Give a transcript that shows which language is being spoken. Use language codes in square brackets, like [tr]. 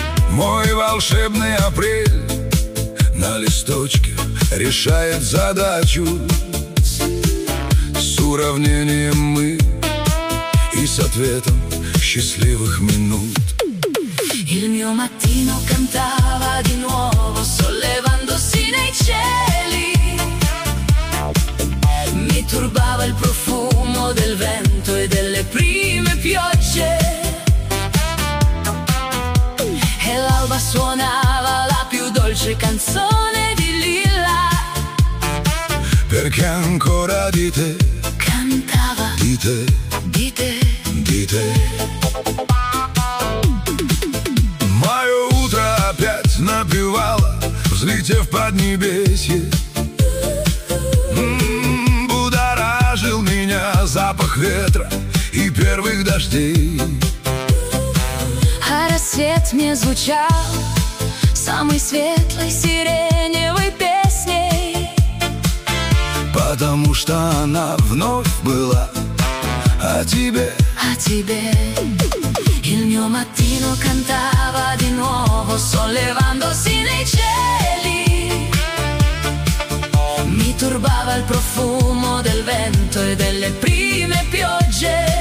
[ru] Мой волшебный апрель на листочке решает задачу с уравнением «мы» и с ответом счастливых минут. [it] Il mio mattino cantava di nuovo sollevandosi nei cieli. Mi turbava il profumo del vento e delle prime piogge. E l'alba suonava la più dolce canzone di Lilla. Perché ancora di te cantava di te, di te, di te. [ru] Мое утро опять напевало, взлетев под небесье. Будоражил меня запах ветра и первых дождей. А рассвет мне звучал самой светлой сиреневой песней. Потому что она вновь была о тебе. A tebe. [it] Il mio mattino cantava di nuovo sollevandosi nei cieli. Mi turbava il profumo del vento e delle prime piogge.